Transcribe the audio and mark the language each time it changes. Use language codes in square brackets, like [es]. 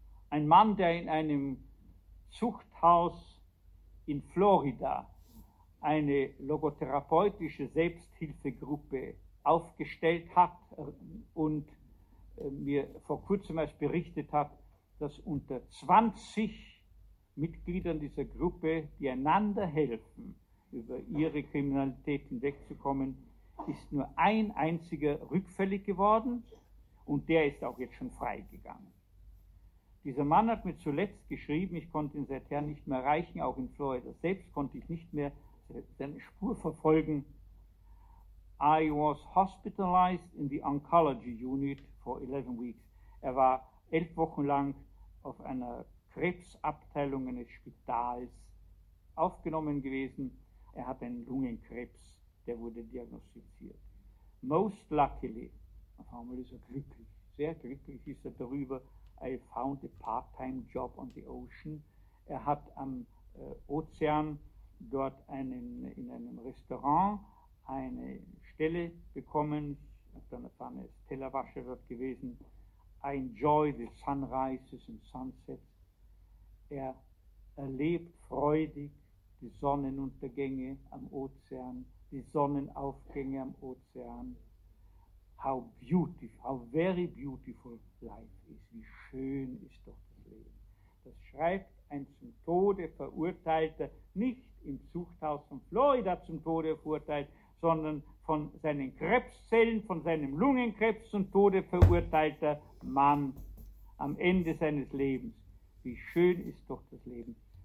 [de] Ein Mann, der in einem Zuchthaus in Florida eine logotherapeutische Selbsthilfegruppe aufgestellt hat und mir vor kurzem erst berichtet hat, dass unter 20 Mitgliedern dieser Gruppe, die einander helfen, über ihre Kriminalität hinwegzukommen, ist nur ein einziger rückfällig geworden und der ist auch jetzt schon freigegangen. Dieser Mann hat mir zuletzt geschrieben, ich konnte ihn seither nicht mehr erreichen, auch in Florida selbst konnte ich nicht mehr seine Spur verfolgen. [en] I was hospitalized in the oncology unit for 11 weeks. [de] Er war 11 Wochen lang auf einer Krebsabteilung eines Spitals aufgenommen gewesen. Er hat einen Lungenkrebs. Der wurde diagnostiziert. [en] Most luckily, [de] auf einmal ist er glücklich, sehr glücklich ist er darüber, [en] I found a part-time job on the ocean. [de] Er hat am Ozean dort in einem Restaurant eine Stelle bekommen, dann war eine Tellerwasche dort gewesen. [en] I enjoy the sunrises and sunsets. [de] Er erlebt freudig die Sonnenuntergänge am Ozean, die Sonnenaufgänge am Ozean. [en] How beautiful, how very beautiful life is. [de] Wie schön ist doch das Leben. Das schreibt ein zum Tode Verurteilter, nicht im Zuchthaus von Florida zum Tode verurteilt, sondern von seinen Krebszellen, von seinem Lungenkrebs zum Tode verurteilter Mann am Ende seines Lebens. Wie schön ist doch das Leben.